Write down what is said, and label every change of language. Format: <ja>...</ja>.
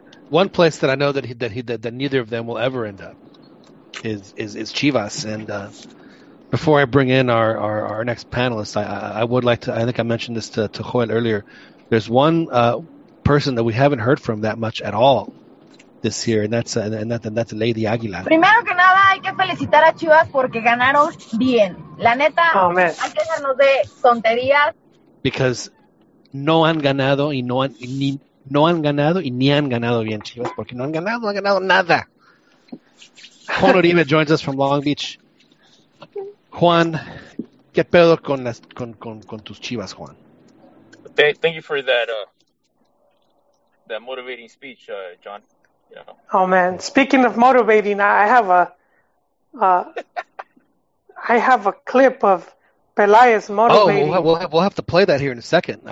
<en>One place that I know that neither of them will ever end up is Chivas. And before I bring in our next panelist, I would like to, I think I mentioned this to Joel earlier. There's one person that we haven't heard from that much at all this year, and that's Lady Aguilar.</en> <es>Primero que nada, hay que felicitar a Chivas porque ganaron bien. La neta, hay que dejarnos de tonterías.</es> <en>Because</en> <es>no han ganado y no han ganado bien, Chivas, porque no han ganado nada.</es> <en>Juan Uribe joins us from Long Beach.</en> <es>Juan, ¿qué pedo con las con tus Chivas, Juan?</es> <en>Thank you for that that motivating speech, John. You know. Oh man, speaking of motivating, I have I have a clip of Peláez motivating. Oh, we'll have to play that here in a second.</en>